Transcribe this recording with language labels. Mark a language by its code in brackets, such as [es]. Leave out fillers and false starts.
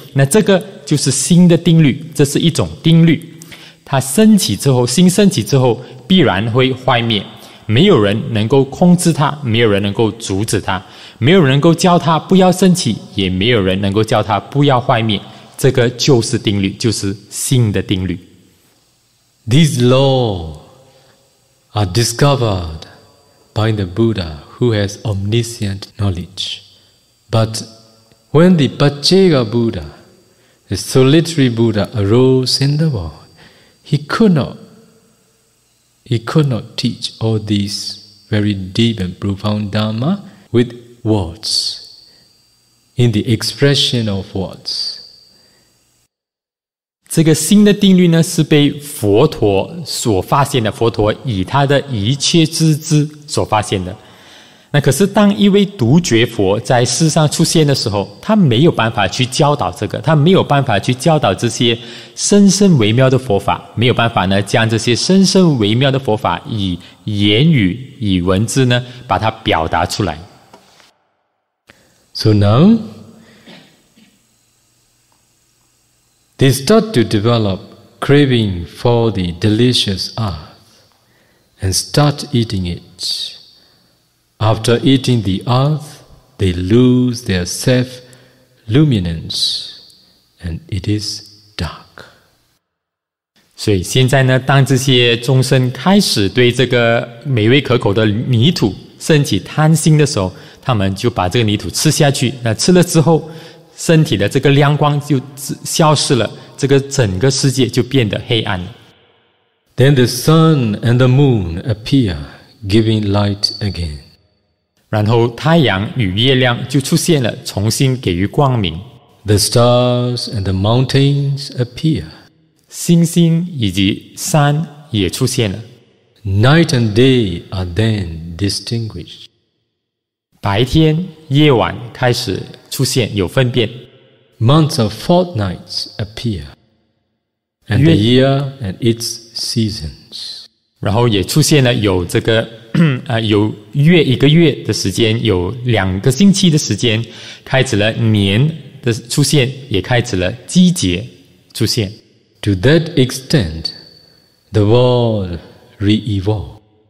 [zh] 那这个就是心的定律，这是一种定律，它升起之后，心升起之后必然会坏灭，没有人能够控制它，没有人能够阻止它，没有人能够教它不要升起，也没有人能够教它不要坏灭。这个就是定律，就是心的定律。 [en] These laws are discoveredby the Buddha who has omniscient knowledge. But when the Pachega Buddha, the solitary Buddha, arose in the world, he could not teach all these very deep and profound Dharma with words, in the expression of words. [zh] 这个新的定律呢，是被佛陀所发现的，佛陀以他的一切之智所发现的。那可是当一位独觉佛在世上出现的时候，他没有办法去教导这个，他没有办法去教导这些深深微妙的佛法，没有办法呢将这些深深微妙的佛法以言语以文字呢把它表达出来。 [en] So nowThey start to develop craving for the delicious earth and start eating it. After eating the earth, they lose their self-luminance and it is dark. [zh] 所以现在呢，当这些众生开始对这个美味可口的泥土升起贪心的时候，他们就把这个泥土吃下去，那吃了之后，身体的这个亮光就消失了，这个整个世界就变得黑暗了。 [en] Then the sun and the moon appear, giving light again. [zh] 然后太阳与月亮就出现了，重新给予光明。 [en] The stars and the mountains appear. [zh] 星星以及山也出现了。 [en] Night and day are then distinguished. [zh] 白天、夜晚开始出现，有分辨。 [en] Months of fortnights appear, and the year and its seasons. [zh] 然后也出现了有这个有月一个月的时间，有两个星期的时间，开始了年的出现，也开始了季节出现。 [en] To that extent, the world re-evolved.